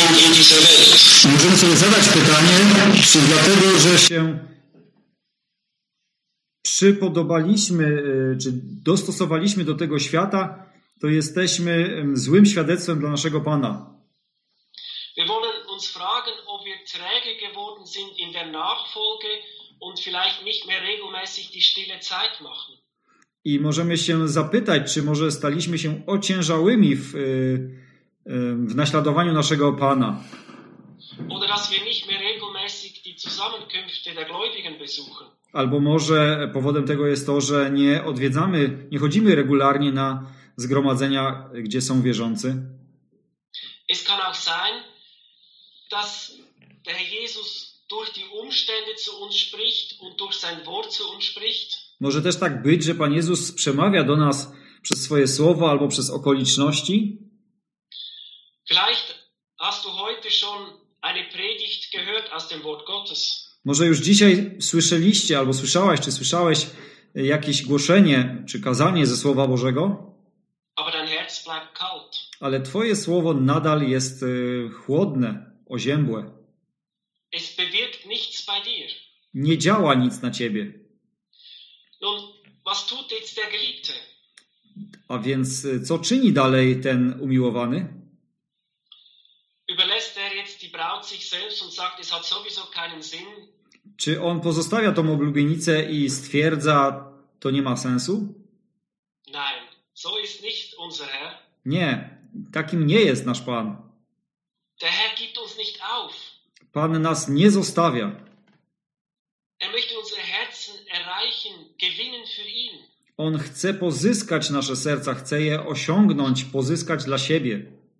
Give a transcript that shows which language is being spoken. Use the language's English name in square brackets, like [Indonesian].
[Polish] Możemy sobie zadać pytanie, czy dlatego, że się przypodobaliśmy, czy dostosowaliśmy do tego świata, to jesteśmy złym świadectwem dla naszego Pana. [German] Wir wollen uns fragen, ob wir träge geworden sind in der Nachfolge und vielleicht nicht mehr regelmäßig die stille Zeit machen. [Polish] I możemy się zapytać, czy może staliśmy się ociężałymi w naśladowaniu naszego Pana. [German] Oder dass wir nicht mehr regelmäßig die Zusammenkünfte der Gläubigen besuchen. [Polish] Albo może powodem tego jest to, że nie odwiedzamy, nie chodzimy regularnie na zgromadzenia, gdzie są wierzący. [German] Es kann auch sein, dass der Herr Jesus durch die Umstände zu uns spricht und durch sein Wort zu uns spricht. [Polish] Może też tak być, że Pan Jezus przemawia do nas przez swoje słowo albo przez okoliczności. [German] Vielleicht hast du heute schon eine Predigt gehört aus dem Wort Gottes. [Polish] Może już dzisiaj słyszeliście, albo słyszałaś, czy słyszałeś jakieś głoszenie, czy kazanie ze Słowa Bożego? [German] Aber dein Herz bleibt kalt. [Polish] Ale Twoje Słowo nadal jest chłodne, oziębłe. [German] Es bewirkt nichts bei dir. [Polish] Nie działa nic na Ciebie. [German] Nun, was tut jetzt der Geliebte? [Polish] A więc co czyni dalej ten umiłowany? [German] Überlässt er jetzt die Braut sich selbst und sagt, es hat sowieso keinen Sinn? [Polish] Czy on pozostawia tą oblubienicę i stwierdza, to nie ma sensu? [German] Nein, so ist nicht unser Herr. [Polish] Nie, takim nie jest nasz Pan. [German] Der Herr gibt uns nicht auf. [Polish] Pan nas nie zostawia. [German] Er möchte unsere Herzen erreichen, gewinnen für ihn. [Polish] On chce pozyskać nasze serca, chce je osiągnąć, pozyskać dla siebie.